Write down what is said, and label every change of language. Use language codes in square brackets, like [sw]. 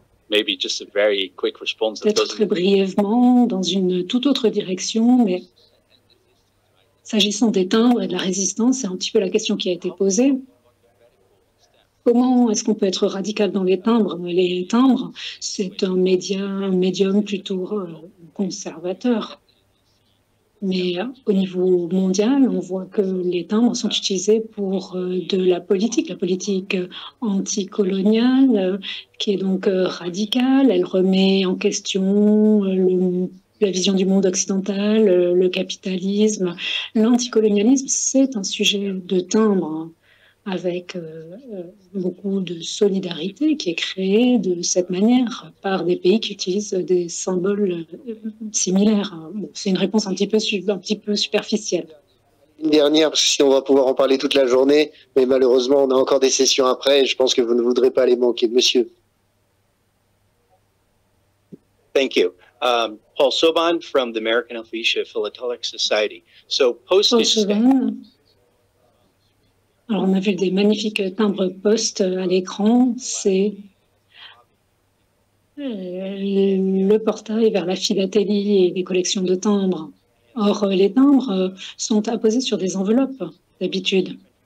[en] Maybe just a very quick response. [fr] Peut-être très brièvement, dans une toute autre direction, mais s'agissant des timbres et de la résistance, c'est un petit peu la question qui a été posée. Comment est-ce qu'on peut être radical dans les timbres? Les timbres, c'est un médium plutôt conservateur. Mais au niveau mondial, on voit que les timbres sont utilisés pour de la politique anticoloniale, qui est donc radicale. Elle remet en question la vision du monde occidental, le capitalisme. L'anticolonialisme, c'est un sujet de timbre avec beaucoup de solidarité qui est créée de cette manière par des pays qui utilisent des symboles similaires. Bon, c'est une réponse un petit peu superficielle. Une dernière, parce que sinon on va pouvoir en parler toute la journée, mais malheureusement on a encore des sessions après et je pense que vous ne voudrez pas les manquer, monsieur. [en] Thank you. Paul Sauban from the American Alopecia Philatelic Society. So post-discussion. [fr] Alors, on a vu des magnifiques timbres postes à l'écran. C'est le portail vers la philatélie et les collections de timbres. Or, les timbres sont apposés sur des enveloppes, d'habitude.